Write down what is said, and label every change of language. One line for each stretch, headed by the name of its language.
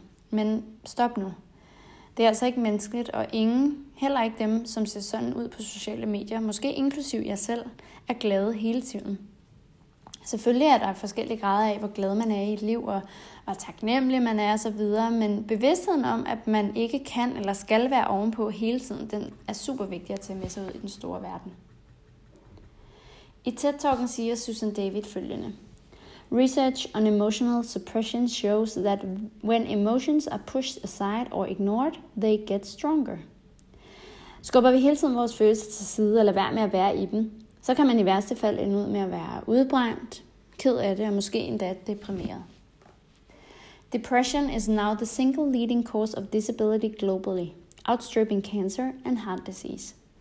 Danish: Men stop nu. Det er altså ikke menneskeligt, og ingen, heller ikke dem, som ser sådan ud på sociale medier, måske inklusiv jer selv, er glade hele tiden. Selvfølgelig er der forskellige grader af, hvor glad man er i et liv, og hvor taknemmelig man er osv., men bevidstheden om, at man ikke kan eller skal være ovenpå hele tiden, den er super vigtig at tage med sig ud i den store verden. I TED-talken siger Susan David følgende.
English: Research on emotional suppression shows that when emotions are pushed aside or ignored, they get stronger.
Danish: Skubber vi hele tiden vores følelser til side eller være med at være i dem, så kan man i værste fald ende ud med at være udbrændt, ked af det og måske endda deprimeret.
English: Depression is now the single leading cause of disability globally, outstripping cancer and heart disease.